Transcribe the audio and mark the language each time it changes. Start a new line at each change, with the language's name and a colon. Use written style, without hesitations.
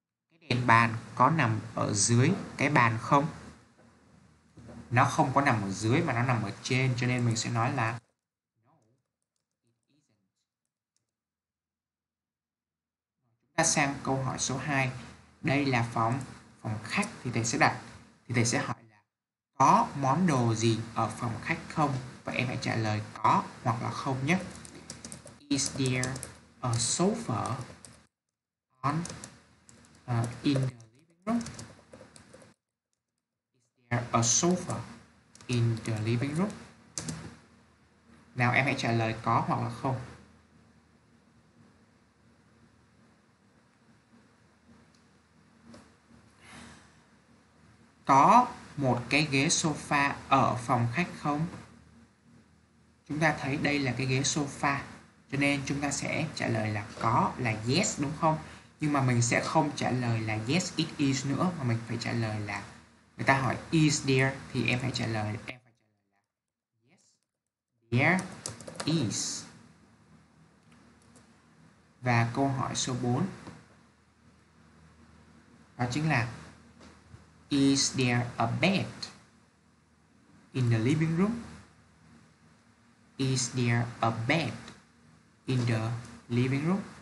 Vietnamese: Cái đèn bàn có nằm ở dưới cái bàn không? Nó không có nằm ở dưới mà nó nằm ở trên, cho nên mình sẽ nói là chúng ta sang câu hỏi số 2. Đây là phòng phòng khách thì thầy sẽ đặt thì thầy sẽ hỏi là có món đồ gì ở phòng khách không? Và em hãy trả lời có hoặc là không nhé.
English: Is there a sofa on in the living room? Is there a sofa in the living room?
Vietnamese: Nào em hãy trả lời có hoặc là không. Có một cái ghế sofa ở phòng khách không? Chúng ta thấy đây là cái ghế sofa, cho nên chúng ta sẽ trả lời là có, là yes, đúng không? Nhưng mà mình sẽ không trả lời là
English: yes it is
Vietnamese: nữa, mà mình phải trả lời là người ta hỏi
English: is there
Vietnamese: thì em phải trả là
English: yes there is.
Vietnamese: Và câu hỏi số 4 đó chính là
English: Is there a bed in the living room? Is there a bed in the living room?